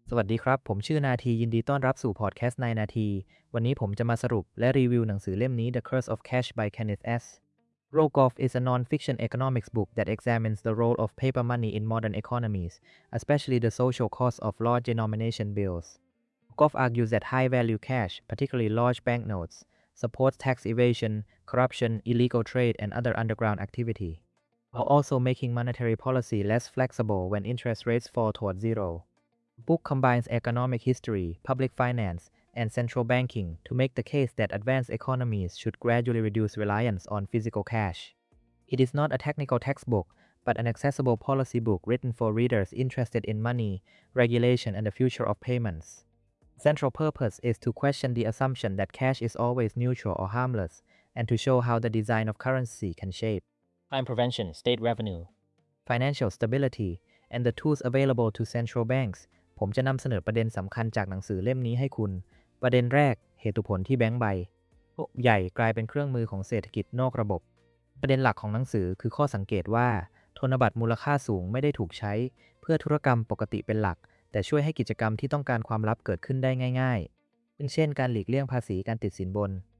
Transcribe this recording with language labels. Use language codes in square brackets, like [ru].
[th] สวัสดีครับผมชื่อนาทียินดีต้อนรับสู่พอดแคสต์9นาทีวันนี้ผมจะมาสรุปและรีวิวหนังสือเล่มนี้ The Curse of Cash by Kenneth S. [en] Rogoff is a non-fiction economics book that examines the role of paper money in modern economies, especially the social cost of large denomination bills. Rogoff argues that high-value cash, particularly large banknotes, supports tax evasion, corruption, illegal trade, and other underground activity, while also making monetary policy less flexible when interest rates fall toward zero. The book combines economic history, public finance, and central banking to make the case that advanced economies should gradually reduce reliance on physical cash. It is not a technical textbook, but an accessible policy book written for readers interested in money, regulation, and the future of payments. Central purpose is to question the assumption that cash is always neutral or harmless, and to show how the design of currency can shape crime prevention, state revenue, financial stability, and the tools available to central banks. [th] ผมจะนำเสนอประเด็นสำคัญจากหนังสือเล่มนี้ให้คุณประเด็นแรกเหตุผลที่แบงก์ใบใหญ่กลายเป็นเครื่องมือของเศรษฐกิจนอกระบบประเด็นหลักของหนังสือคือข้อสังเกตว่าธนบัตรมูลค่าสูงไม่ได้ถูกใช้เพื่อธุรกรรมปกติเป็นหลักแต่ช่วยให้กิจกรรมที่ต้องการความลับเกิดขึ้นได้ง่ายๆเช่นการหลีกเลี่ยงภาษีการติดสินบน